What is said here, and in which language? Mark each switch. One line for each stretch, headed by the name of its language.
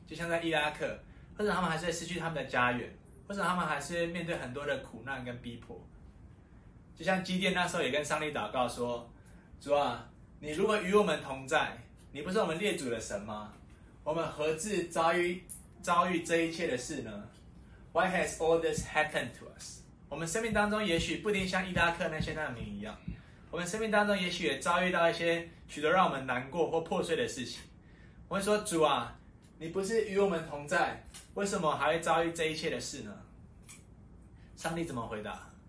Chinese: 就像在伊拉克，为什么他们还是会失去他们的家园？为什么他们还是会面对很多的苦难跟逼迫？就像基甸那时候也跟上帝祷告说，主啊，你如果与我们同在，你不是我们列祖的神吗？我们何至遭遇这一切的事呢？
English: Why has all this happened to us？
Chinese: 我们生命当中也许不一定像伊拉克那些难民一样，我们生命当中也许也遭遇到一些许多让我们难过或破碎的事情。我会说，主啊，你不是与我们同在，为什么还会遭遇这一切的事呢？上帝怎么回答？